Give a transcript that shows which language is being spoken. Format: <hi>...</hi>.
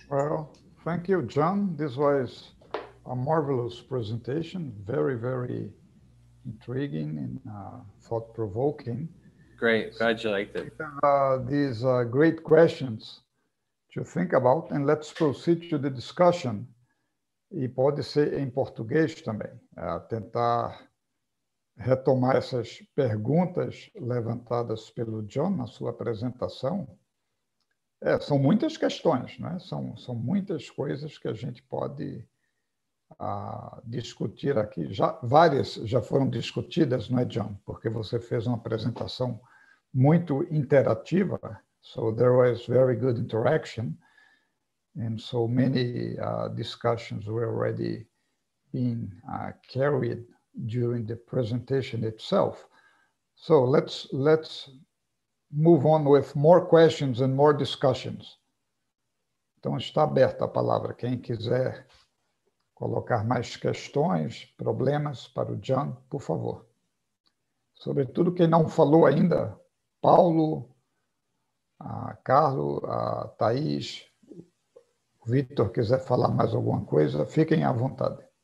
<en>Well, thank you, John. This was a marvelous presentation. Very, very intriguing and thought-provoking. Great, glad you liked it. These are great questions to think about, and let's proceed to the discussion.</en> <pt>E pode ser em português também, tentar retomar essas perguntas levantadas pelo John na sua apresentação. São muitas questões, né? São muitas coisas que a gente pode discutir aqui. Várias já foram discutidas, não é, John? Porque você fez uma apresentação muito interativa.</pt> <en>So there was very good interaction. And so many discussions were already being carried during the presentation itself. So let's move on with more questions and more discussions.</en> <pt>Então está aberta a palavra. Quem quiser colocar mais questões, problemas para o John, por favor. Sobretudo quem não falou ainda, Paulo, Carlos, Thaís, Victor, quiser falar mais alguma coisa, fiquem à vontade.</pt>